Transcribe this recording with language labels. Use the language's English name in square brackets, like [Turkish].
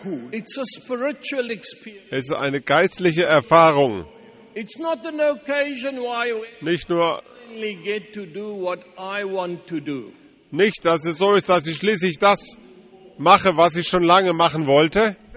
[English] It's a spiritual experience. [German] Es ist eine geistliche Erfahrung. [English] It's not an occasion why we [German] nicht nur [English] get to do what I want to do. [German] Nicht, dass es so ist, dass ich schließlich das mache, was ich schon lange machen wollte.